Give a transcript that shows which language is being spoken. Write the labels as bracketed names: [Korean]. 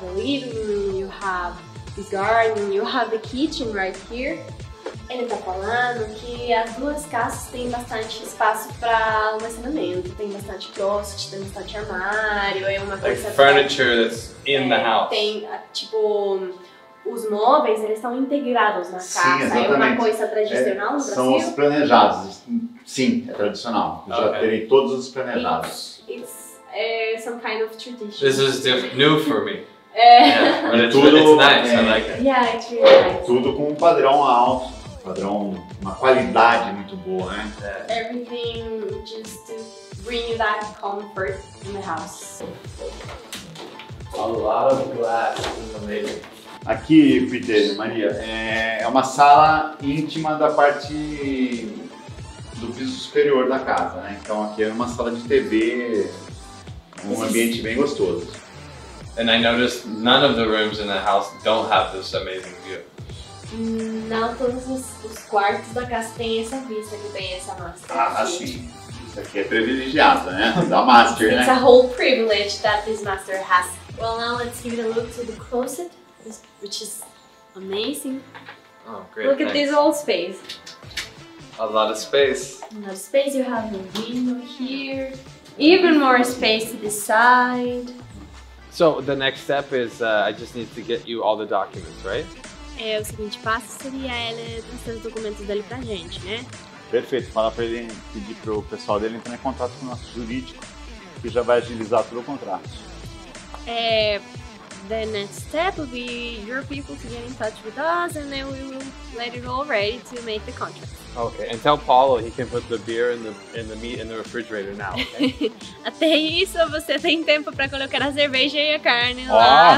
[English] the living room, you have the garden, you have the kitchen right here. [Portuguese] Ele tá falando que as duas casas têm bastante espaço para almacenamento. Tem bastante closet, tem bastante armário, é uma coisa... [English] Like furniture que, that's in the house. [Portuguese] Tem, tipo, os móveis, eles estão integrados na casa. Sim, exatamente. É uma coisa tradicional no Brasil? São os planejados. Sim, é tradicional. Okay. Já terem todos os planejados. [English] It's some kind of tradition. This is new for me. Yeah, but [Portuguese] tudo, [English] it's nice, I like it. Yeah, it's really nice. [Portuguese] Tudo com um padrão alto. Padrão, uma qualidade muito boa, né? [English] Everything just to bring you that comfort in the house. A lot of glass is amazing. [Portuguese] Aqui, Peter, Maria, é uma sala íntima da parte do piso superior da casa, né? Então aqui é uma sala de TV, um ambiente bem gostoso. [English] And I noticed none of the rooms in the house don't have this amazing view. [Portuguese] Não todos os quartos da casa têm essa vista que tem essa master. Sim. Isso aqui é privilegiado, né? Da master, [English] it's [Portuguese] né? [English] It's a whole privilege that this master has. Well, now let's give it a look to the closet, which is amazing. Oh, great. Look thanks. At this old space. A lot of space. A lot of space. You have the window here. Even more space to the side. So the next step is I just need to get you all the documents, right? [Portuguese] É, o seguinte passo seria ele trazer os documentos dele pra gente, né? Perfeito, fala pra ele pedir pro pessoal dele entrar em contato com o nosso jurídico, que já vai agilizar todo o contrato. [English] É, the next step will be your people to get in touch with us and then we will let it all ready to make the contract. Okay, and tell Paulo he can put the beer and the meat in the refrigerator now, okay? [Portuguese] Até isso, você tem tempo para colocar a cerveja e a carne lá.